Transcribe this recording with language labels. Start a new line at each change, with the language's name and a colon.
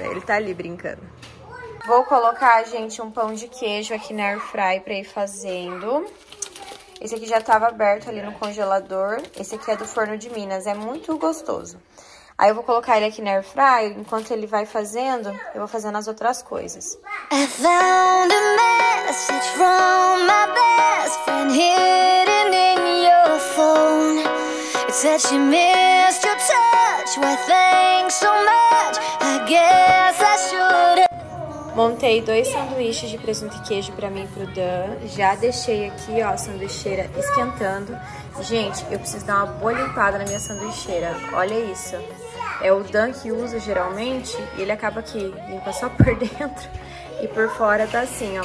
Portuguese: Ele tá ali brincando. Vou colocar, gente, um pão de queijo aqui na air fry pra ir fazendo. Esse aqui já tava aberto ali no congelador. Esse aqui é do forno de Minas, é muito gostoso. Aí eu vou colocar ele aqui na air fry. Enquanto ele vai fazendo, eu vou fazendo as outras coisas.
English: I found a message from my best friend hidden in your phone. It said she missed your touch. Why, thanks so much. I guess I should have.
Portuguese: Montei dois sanduíches de presunto e queijo pra mim e pro Dan. Já deixei aqui, ó, a sanduicheira esquentando. Gente, eu preciso dar uma boa limpada na minha sanduicheira. Olha isso. É o Dan que usa geralmente e ele acaba que limpa só por dentro e por fora tá assim, ó.